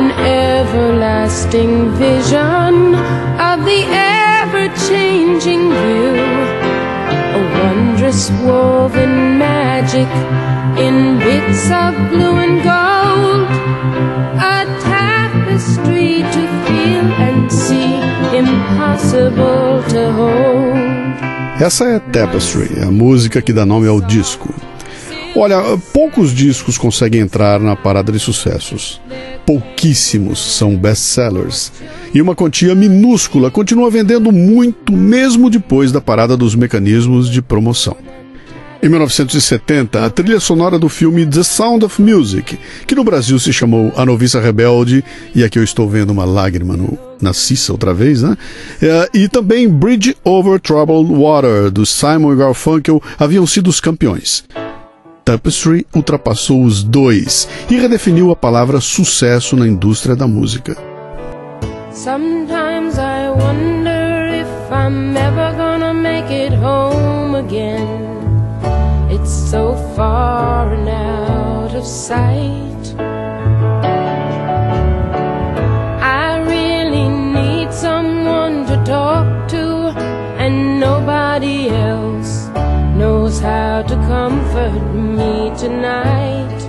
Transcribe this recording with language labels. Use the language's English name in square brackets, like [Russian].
[English] Everlasting vision of the ever-changing view, a wondrous woven magic in bits of blue and gold, a tapestry to feel and see, impossible to hold. [Portuguese] Essa é Tapestry, a música que dá nome ao disco. Olha, poucos discos conseguem entrar na parada de sucessos. Pouquíssimos são best-sellers. E uma quantia minúscula continua vendendo muito, mesmo depois da parada dos mecanismos de promoção. Em 1970, a trilha sonora do filme The Sound of Music, que no Brasil se chamou A Noviça Rebelde, e aqui eu estou vendo uma lágrima no, na Cissa outra vez, né? E também Bridge Over Troubled Water, do Simon Garfunkel, haviam sido os campeões. Tapestry ultrapassou os dois e redefiniu a palavra sucesso na indústria da música. [English] Sometimes I wonder if I'm ever gonna make it home again. It's so far and out of sight. I really need someone to talk to, and nobody else knows how to comfort me tonight.